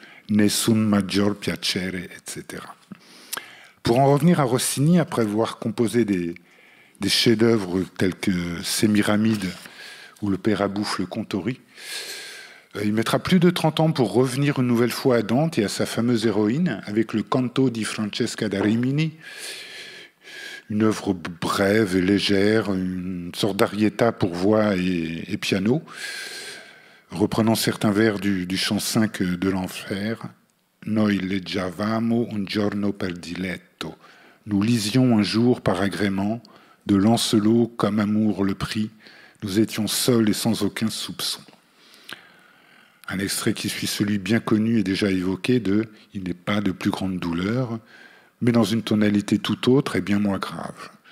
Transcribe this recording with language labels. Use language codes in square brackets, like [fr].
[it] Nessun maggior piacere, [fr] etc. » Pour en revenir à Rossini, après avoir composé des chefs-d'œuvre tels que « Sémiramide » ou « Le père à bouffe, le Contori », il mettra plus de 30 ans pour revenir une nouvelle fois à Dante et à sa fameuse héroïne avec le Canto di Francesca da Rimini, une œuvre brève et légère, une sorte d'arietta pour voix et piano, reprenant certains vers du chant 5 de l'Enfer. [it] Noi leggiavamo un giorno per diletto. [fr] Nous lisions un jour par agrément, de Lancelot comme amour le prix, nous étions seuls et sans aucun soupçon. Un extrait qui suit celui bien connu et déjà évoqué de « Il n'est pas de plus grande douleur », mais dans une tonalité tout autre et bien moins grave.